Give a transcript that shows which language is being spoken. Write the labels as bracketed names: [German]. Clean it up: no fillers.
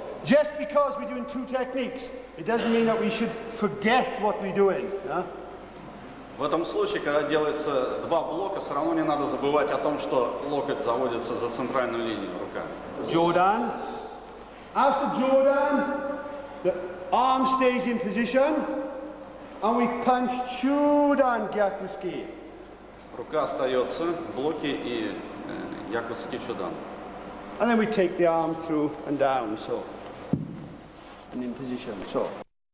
[English] Just because we're doing two techniques, it doesn't mean that we should forget what we're doing. Yeah? [Russian] В этом случае, когда делается два блока, все равно не надо забывать о том, что локоть заводится за центральную линию руками. [English] Jordan. After Jordan, the arm stays in position, and we punch Chudan Gyakuski. [Russian] Рука остается в блоке и Gyakuski Chudan. [English] And then we take the arm through and down, so. And in position, so.